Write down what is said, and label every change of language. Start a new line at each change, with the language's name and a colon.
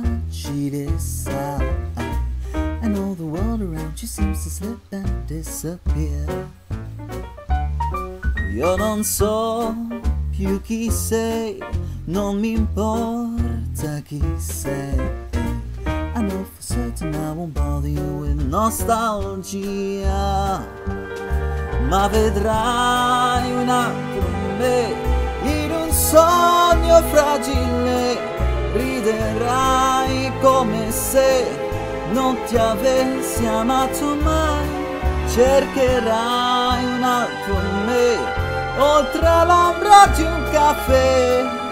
English: sheet is out, and all the world around you seems to slip and disappear.
Italian: Io non so più chi sei, non mi importa chi sei.
English: I know for certain I won't bother you with nostalgia.
Italian: Ma vedrai un altro me, in un sogno fragile. Riderai come se non ti avessi amato mai. Cercherai un altro me, oltre all'ombra di un caffè.